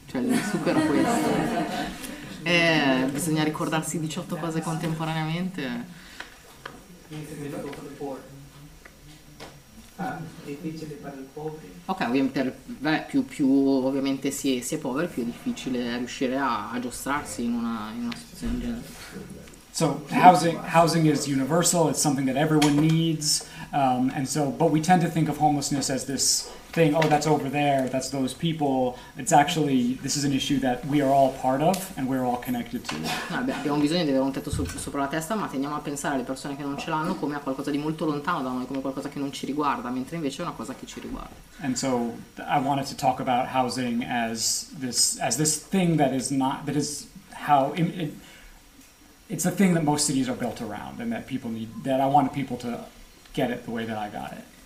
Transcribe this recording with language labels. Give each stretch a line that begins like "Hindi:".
Italian: Cioè il succo era questo. bisogna ricordarsi 18 cose contemporaneamente. Ah, è difficile per il povero. Ok, ovviamente più ovviamente si è poveri, più è difficile riuscire a giostrarsi in una situazione del genere.
English: So housing is universal, it's something that everyone needs. But we tend to think of homelessness as this thing, oh, that's over there, that's those people. It's actually, this is an issue that we are all part of and we're all connected to.
Italian: Vabbè, abbiamo bisogno di avere un tetto sopra la testa, ma tendiamo a pensare alle persone che non ce l'hanno come a qualcosa di molto lontano da noi, come qualcosa che non ci riguarda, mentre invece è una cosa che ci riguarda.
English: And so I wanted to talk about housing as this thing that is not, that is how it's the thing that most cities are built around and that people need, that I wanted people to get it the way that I got it.